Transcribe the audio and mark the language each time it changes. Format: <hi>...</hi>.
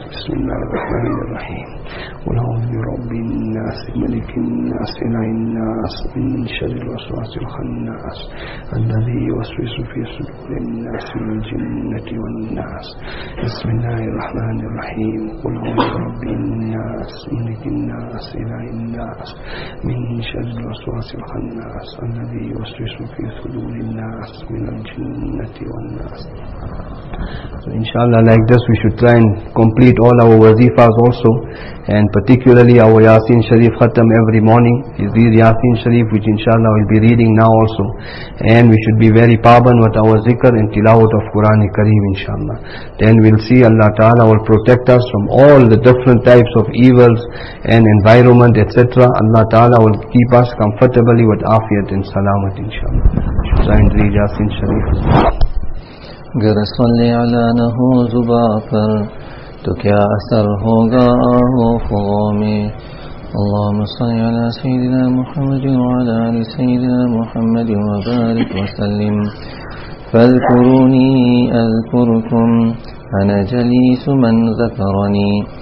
<ar>بسم الله الرحمن الرحيم. قل أعوذ برب الناس ملك الناس العين الناس من شر الوسواس الخناس الذي يوسوس في صدور الناس من الجنة والناس. بسم الله الرحمن الرحيم. قل أعوذ برب الناس ملك الناس العين الناس من شر الوسواس الخناس الذي يوسوس في صدور الناس من الجنة والناس.</ar> <en>So inshallah, like this we should try and complete all our wazifas also, and particularly our Yasin Sharif Khatam every morning. Is this Yasin Sharif which inshallah we'll be reading now also, and we should be very paban with our zikr and tilawat of Quran Kareem inshallah. Then we'll see Allah Ta'ala will protect us from all the different types of evils and environment etc. Allah Ta'ala will keep us comfortably with afiyat and salamat inshallah. We should try and read Yasin Sharif.</en> <ur>گر صلی علی نہ ہو زباں پر تو کیا اثر ہوگا آہو فغوں میں.</ur> <ar>اللہم صلی علی سیدنا محمد وعلی آل سیدنا محمد وبارک وسلم. فاذکرونی اذکرکم انا جلیس من ذکرنی.</ar>